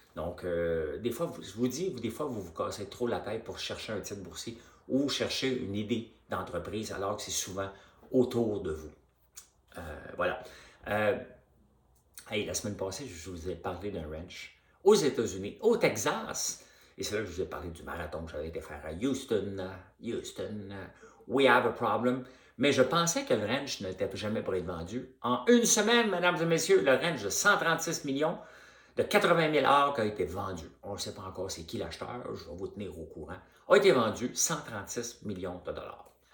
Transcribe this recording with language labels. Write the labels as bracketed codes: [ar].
[fr] Donc, des fois, vous vous cassez trop la tête pour chercher un titre boursier ou chercher une idée d'entreprise, alors que c'est souvent autour de vous. Voilà. La semaine passée, je vous ai parlé d'un ranch aux États-Unis, au Texas. Et c'est là que je vous ai parlé du marathon que j'avais été faire à Houston. [en] Houston, we have a problem. [fr] Mais je pensais que le ranch n'était jamais pour être vendu. En une semaine, mesdames et messieurs, le ranch de 136 millions de 80 000 acres a été vendu. On ne sait pas encore c'est qui l'acheteur, je vais vous tenir au courant. A été vendu 136 millions de dollars.